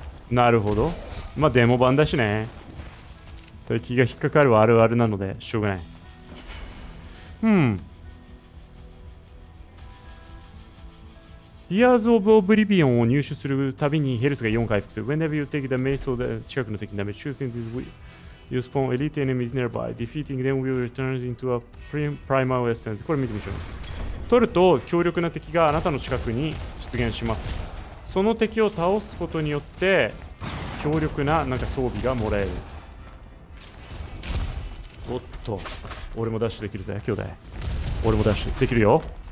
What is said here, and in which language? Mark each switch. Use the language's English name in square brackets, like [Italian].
[Japanese] なるほど。まあ、デモ版だしね。敵が引っかかるはあるあるなので、しょうがない。ティアーズ・オブ・オブリビオンを入手するたびにヘルスが4回復する。 [English] Whenever you take damage, so the [Japanese] 近くの敵にダメージ、 [English] choosing this way, you spawn elite enemies nearby. Defeating them will return into a primal essence. [Japanese] これ見てみましょう。取ると強力な敵があなたの近くに出現します。その敵を倒すことによって強力ななんか装備がもらえる。おっと、俺もダッシュできるぜ、兄弟。俺もダッシュできるよ。